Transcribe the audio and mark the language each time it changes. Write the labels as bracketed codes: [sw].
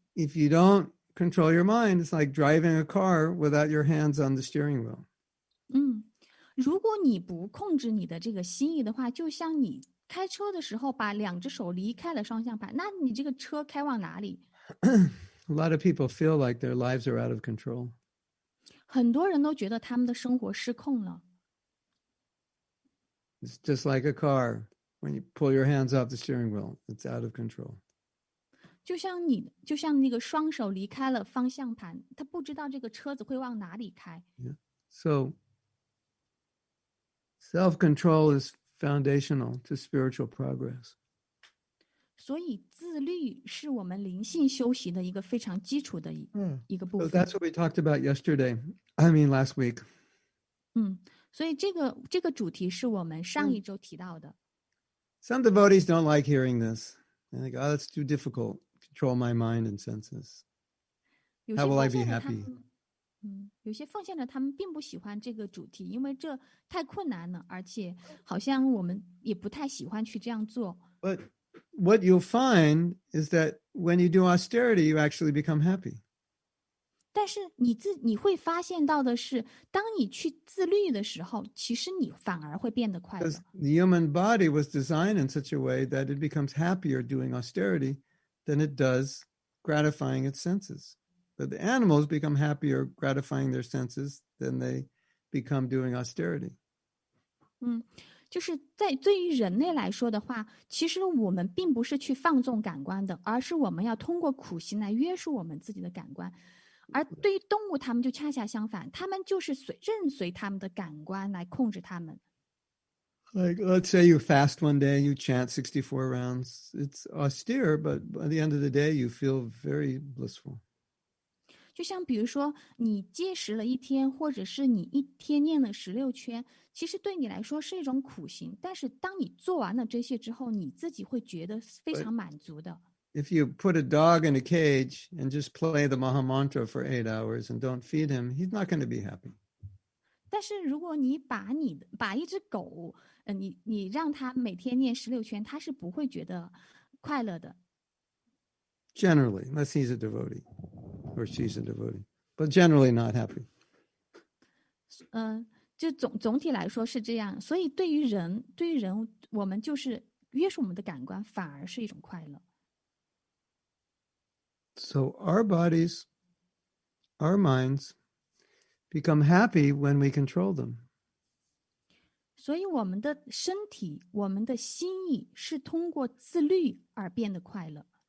[en] If you don't control your mind, it's like driving a car without your hands on the steering wheel. [zh] 如果你不控制你的这个心意的话，就像你开车的时候把两只手离开了双向盘，那你这个车开往哪里？ [en] A lot of people feel like their lives are out of control. [zh] 很多人都觉得他们的生活失控了。 [en] It's just like a car. When you pull your hands off the steering wheel, it's out of control. [zh] 就像那个双手离开了方向盘，他不知道这个车子会往哪里开。 [en] So, self-control is foundational to spiritual progress. [zh] 所以自律是我们灵性修习的一个非常基础的一个部分。 [en] So that's what we talked about yesterday. I mean last week. [zh] 所以这个主题是我们上一周提到的。 [en] Some devotees don't like hearing this. They think, oh, it's too difficult. Control my mind and senses. How will I be happy? [zh] 有些奉献者他们并不喜欢这个主题，因为这太困难了，而且好像我们也不太喜欢去这样做。 [en] What you'll find is that when you do austerity, you actually become happy. [zh] 但是你会发现到的是，当你去自律的时候，其实你反而会变得快乐。 [en] Because the human body was designed in such a way that it becomes happier doing austerity than it does gratifying its senses. But the animals become happier gratifying their senses than they become doing austerity. [zh] 就是在对于人类来说的话，其实我们并不是去放纵感官的，而是我们要通过苦行来约束我们自己的感官。而对于动物，他们就恰恰相反，他们就是任随他们的感官来控制他们。 [en] Like, let's say you fast one day, you chant 64 rounds. It's austere, but by the end of the day, you feel very blissful. [zh] 就像比如说你戒食了一天，或者是你一天念了十六圈，其实对你来说是一种苦行，但是当你做完了这些之后，你自己会觉得非常满足的。 [en] If you put a dog in a cage and just play the Maha Mantra for 8 hours and don't feed him, he's not going to be happy. [zh] 但是如果你把一只狗，你让他每天念十六圈，他是不会觉得快乐的。 [en] Generally, unless he's a devotee. Or she's a devotee, but generally not happy. [zh] 就总体来说是这样。所以对于人，我们就是约束我们的感官，反而是一种快乐。 [en] So our bodies, our minds, become happy when we control them. [zh] 所以我们的身体，我们的心意是通过自律而变得快乐。